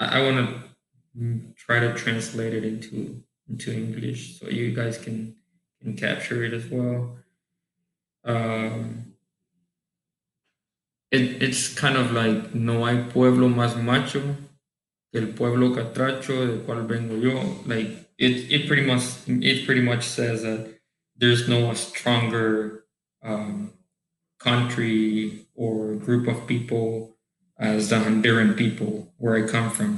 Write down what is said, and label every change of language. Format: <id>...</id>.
<en>I want to try to translate it into English so you guys can capture it as well. It's kind of like,</en> <es>no hay pueblo más macho que el pueblo catracho de cual vengo yo.</es> <en>Like, it pretty much says that there's no stronger country or group of people as the Honduran people where I come from.</en>